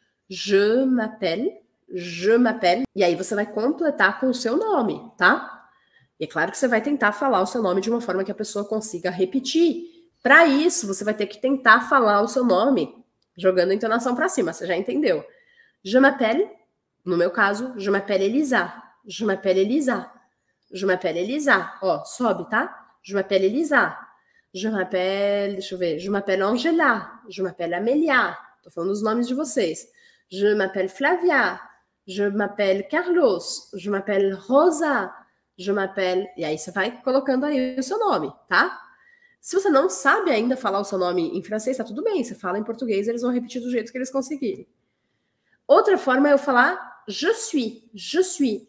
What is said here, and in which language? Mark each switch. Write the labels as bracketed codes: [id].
[fr] Je m'appelle. Je m'appelle. [pt] E aí você vai completar com o seu nome, tá? E é claro que você vai tentar falar o seu nome de uma forma que a pessoa consiga repetir. Para isso, você vai ter que tentar falar o seu nome, jogando a entonação para cima. Você já entendeu? [fr] Je m'appelle, [pt] no meu caso, [fr] je m'appelle Elisa. Je m'appelle Elisa. Je m'appelle Elisa. [pt] Ó, sobe, tá? [fr] Je m'appelle Elisa. Je m'appelle, [pt] deixa eu ver. [fr] Je m'appelle Angela. Je m'appelle Amelia. [pt] Tô falando os nomes de vocês. [fr] Je m'appelle Flavia. Je m'appelle Carlos. Je m'appelle Rosa. Je m'appelle. [pt] E aí você vai colocando aí o seu nome, tá? Se você não sabe ainda falar o seu nome em francês, tá tudo bem. Você fala em português, eles vão repetir do jeito que eles conseguirem. Outra forma é eu falar [fr] je suis. Je suis.